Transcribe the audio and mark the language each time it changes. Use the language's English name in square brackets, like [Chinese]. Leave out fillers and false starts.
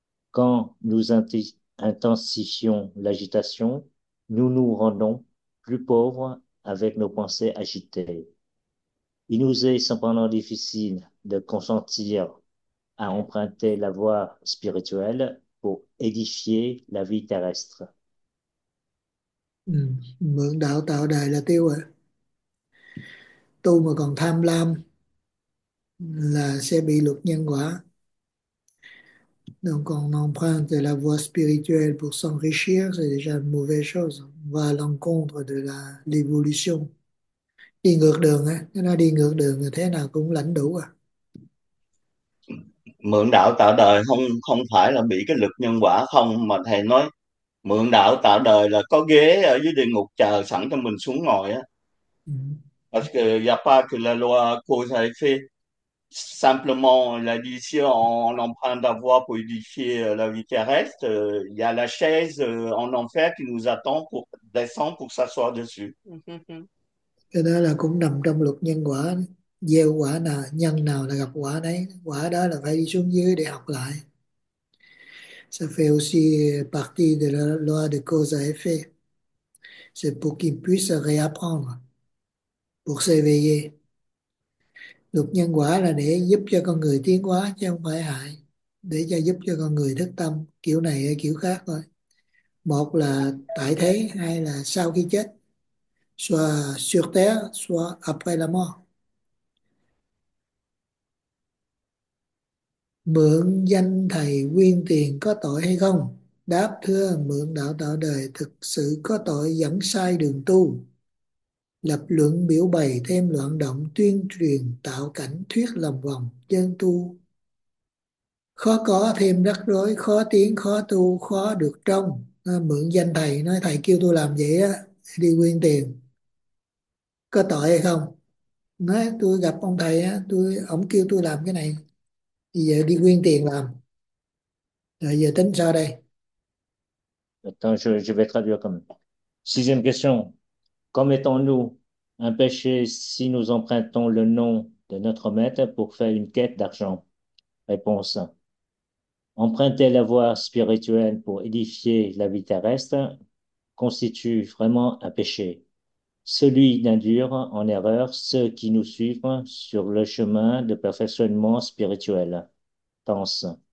[French] Quand nous intensifions l'agitation, nous nous rendons plus pauvres avec nos pensées agitées. Il nous est cependant difficile de consentir à emprunter la voie spirituelle pour édifier la vie terrestre. [Vietnamese] Mượn đạo tạo đời là tiêu rồi. Tu mà còn tham lam là sẽ bị luật nhân quả. [French] Donc on emprunte de la voie spirituelle pour s'enrichir, c'est déjà une mauvaise chose. On va à l'encontre de l'évolution. [Vietnamese] Đi ngược đường á, nó đi ngược đường thì thế nào cũng lãnh đủ à. Mượn đạo tạo đời không không phải là bị cái luật nhân quả không, mà thầy nói mượn đạo tạo đời là có ghế ở dưới địa ngục chờ sẵn cho mình xuống ngồi á. [French] Parce que y a pas que la loi cause à effet. Simplement, là dit si on emprunte la voie pour édifier la vie terrestre, il y a la chaise en enfer qui nous attend pour descendre pour s'asseoir dessus. [Vietnamese] Cái đó là cũng nằm trong luật nhân quả, gieo quả nào nhân nào là gặp quả đấy, quả đó là phải đi xuống dưới để học lại. [French] Ça fait aussi partie de la loi de cause à effet. C'est pour qu'il puisse réapprendre, pour s'éveiller. [Vietnamese] Luật nhân quả là để giúp cho con người tiến hóa chứ không phải hại, để cho giúp cho con người thức tâm kiểu này hay kiểu khác thôi. Một là tại thế, hai là sau khi chết. [French] Soit sur terre, soit après la mort. [Vietnamese] Mượn danh thầy quyên tiền có tội hay không? Đáp, thưa, mượn đạo tạo đời thực sự có tội, dẫn sai đường tu. Lập luận biểu bày thêm loạn động, tuyên truyền tạo cảnh thuyết lòng vòng, chân tu. Khó có thêm rắc rối, khó tiến, khó tu, khó được trông. Mượn danh thầy, nói thầy kêu tôi làm vậy á, đi quyên tiền. Có tội hay không? Nói tôi gặp ông thầy á, tôi ổng kêu tôi làm cái này, bây giờ đi quyên tiền làm, rồi giờ tính sao đây? [French] Attends, je vais traduire quand même. Sixième question. Commettons-nous un péché si nous empruntons le nom de notre maître pour faire une quête d'argent? Réponse 1. Emprunter la voie spirituelle pour édifier la vie terrestre constitue vraiment un péché, celui d'induire en erreur ceux qui nous suivent sur le chemin de perfectionnement spirituel. Pense.